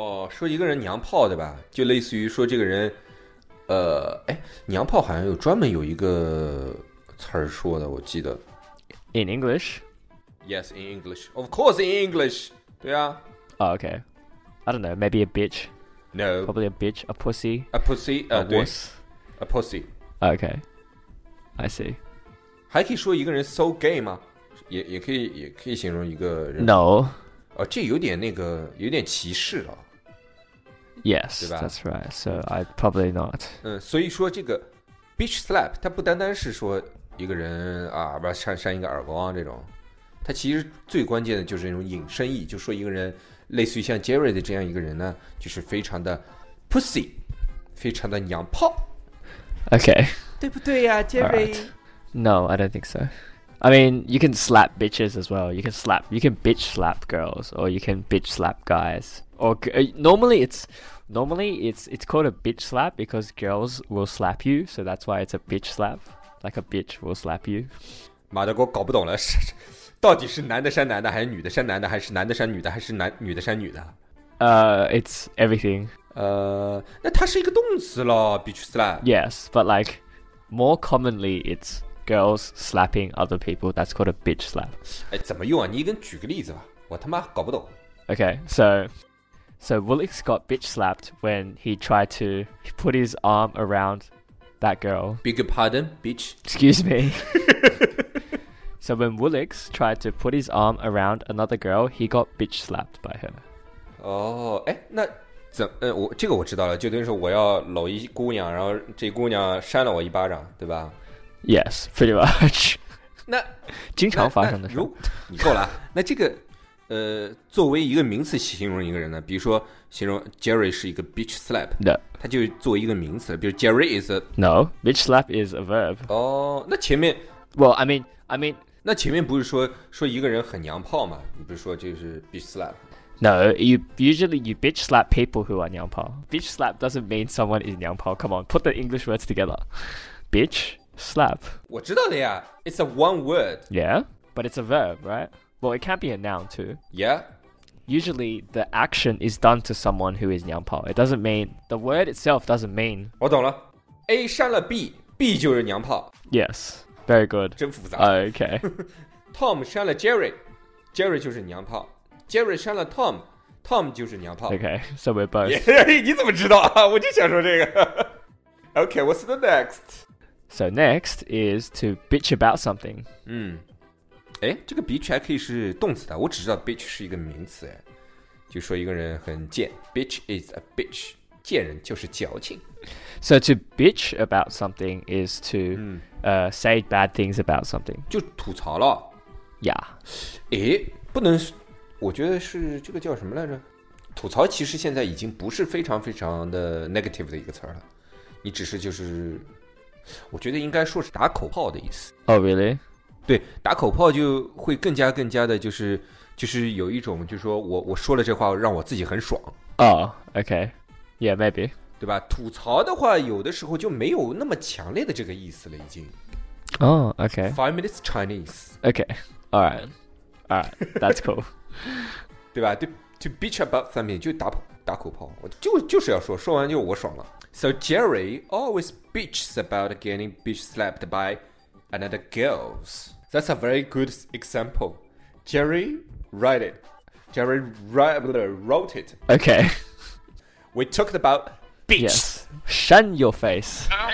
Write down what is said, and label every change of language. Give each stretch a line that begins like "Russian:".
Chinese: 说一个人娘炮对吧，就类似于说这个人娘炮好像有专门有一个词儿说的，我记得
English: in English. Yes, in English, of course, in English.
Chinese: 对啊、
English: oh, okay, I don't know, maybe a bitch. No, probably a bitch, a pussy, a pussy, a wuss, a pussy. Okay, I see.
Chinese: 还可以说一个人
English: so gay
Chinese: 吗？也可以形容一个人。
English: No.
Chinese: 这有点那个有点歧视了。
English: Yes, that's right. So I probably not.
Chinese: 所以说这个 bitch slap 它不单单是说一个人啊，把扇一个耳光这种，它其实最关键的就是那种隐身意，就说一个人类似于像 Jerry 的这样一个人呢，就是非常的 pussy, 非常的娘炮。
English: Okay.
Chinese: 对不对呀 ，Jerry?、
English: Right. No, I don't think so. I mean, you can slap bitches as well. You can bitch slap girls, or you can bitch slap guys. Or normally it's called a bitch slap because girls will slap you, so that's why it's a bitch slap. Like a bitch will slap you.
Chinese: 妈的，我搞不懂了，到底是男的扇男的还是女的扇男的还是男的扇女的还是男女的扇女的
English: It's everything
Chinese: 那它是一个动词咯 Bitch slap
English: Yes but like More commonly it's girls slapping other people That's called a bitch slap
Chinese: 哎怎么用啊你给举个例子吧我他妈搞不懂
English: Okay So Willix got bitch slapped when he tried to put his arm around that girl. Beg your pardon, bitch. Excuse me. So when Willix tried to put his arm around another girl, he got bitch slapped by her.
Chinese: Oh, 哎，那怎我这个我知道了，就等于说我要搂一姑娘，然后这姑娘扇了我一巴掌，对吧
English: ？Yes, pretty much.
Chinese: 那经常发生的事。你够了，那这个。作为一个名词形容一个人呢，比如说形容 Jerry 是一个 bitch slap，那他就作为一个名词，比如
English: Jerry is a no bitch slap is a verb。
Chinese: 哦，那前面
English: ，Well, I mean，
Chinese: 那前面不是说一个人很娘炮吗？你不是说就是 bitch slap？
English: No, you usually bitch slap people who are 娘炮。 Bitch slap doesn't mean someone is 娘炮。 Come on, put the English words together. Bitch slap。
Chinese: 我知道的呀 ，
English: It's a one word. Yeah, but it's a verb, right? Well, it can't be a noun, too. Yeah. Usually, the action is done to someone who is 娘炮. It doesn't mean... The word itself doesn't mean...
Chinese: 我懂了。A 扇了 B, B 就是娘炮。
English: Yes. Very good.
Chinese: 真复杂。
English: Okay.
Chinese: Tom 扇了 Jerry, Jerry 就是娘炮。 Jerry 扇了 Tom, Tom 就是娘炮。
English: Okay, so we're both...
Chinese: Yeah, 你怎么知道啊? 我就想说这个。
English: Okay, what's the next? So next is to bitch about something.
Chinese: 嗯。哎，这个 bitch 还可以是动词的，我只知道 bitch 是一个名词，哎，就说一个人很贱 ，
English: bitch is a bitch，
Chinese: 贱人就是矫情。
English: So to bitch about something is to say bad things about something，
Chinese: 就吐槽了。
English: Yeah，
Chinese: 哎，不能，我觉得是这个叫什么来着？吐槽其实现在已经不是非常非常的 negative 的一个词了，你只是就是，我觉得应该说是打口炮的意思。
English: Oh really？
Chinese: 对，打口炮就会更加的，就是有一种，就是说我说了这话让我自己很爽
English: 啊。Oh, okay, yeah, maybe.
Chinese: 对吧？吐槽的话，有的时候就没有那么强烈的这个意思了，已经。哦、oh, ，okay.
English: 5 minutes Chinese. Okay, all right, that's cool.
Chinese: 对吧？对 ，
English: to bitch about something
Chinese: 就打口炮，我就是要说完就我爽了。
English: So Jerry always bitches about getting bitch slapped by. Another girls. That's a very good example. Jerry wrote it. Jerry wrote it. Okay. We talked about bitch. Yes. Shun your face.